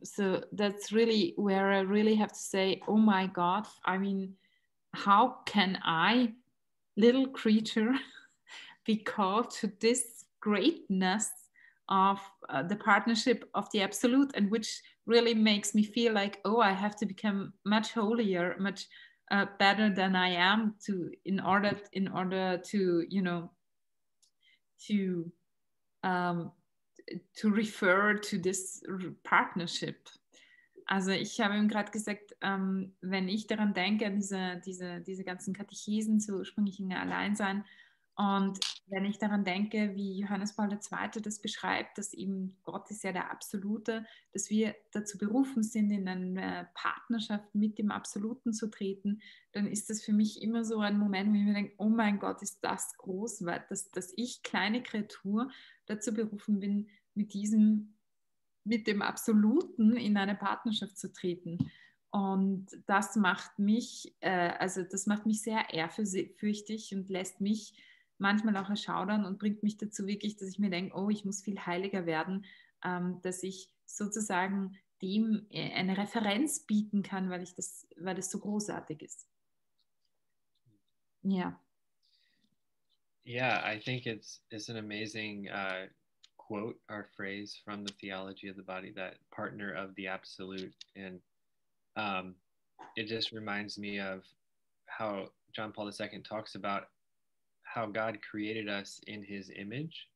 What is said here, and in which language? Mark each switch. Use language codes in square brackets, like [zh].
[en] So that's really where I really have to say, oh my God, I mean, how can I, little creature, be called to this greatness of the partnership of the absolute, and which really makes me feel like, oh, I have to become much holier, much better than I am, to in order to, you know, to to refer to this partnership. [de] Also ich habe ihm gerade gesagt, wenn ich daran denke, an diese ganzen Katechesen zu ursprünglichen Alleinsein, und wenn ich daran denke, wie Johannes Paul II. Das beschreibt, dass eben Gott ist ja der Absolute, dass wir dazu berufen sind, in eine Partnerschaft mit dem Absoluten zu treten, dann ist das für mich immer so ein Moment, wo ich mir denke, oh mein Gott, ist das groß, weil dass ich, kleine Kreatur, dazu berufen bin, mit dem Absoluten in eine Partnerschaft zu treten. Und das macht mich, sehr ehrfürchtig und lässt mich manchmal auch erschaudern und bringt mich dazu wirklich, dass ich mir denke, oh, ich muss viel heiliger werden, dass ich sozusagen dem eine Referenz bieten kann, weil das so großartig ist. Ja. [en] Yeah, I think it's an amazing quote or phrase from the theology of the body, that partner of the absolute. And it just reminds me of how John Paul II talks about how God created us in his image.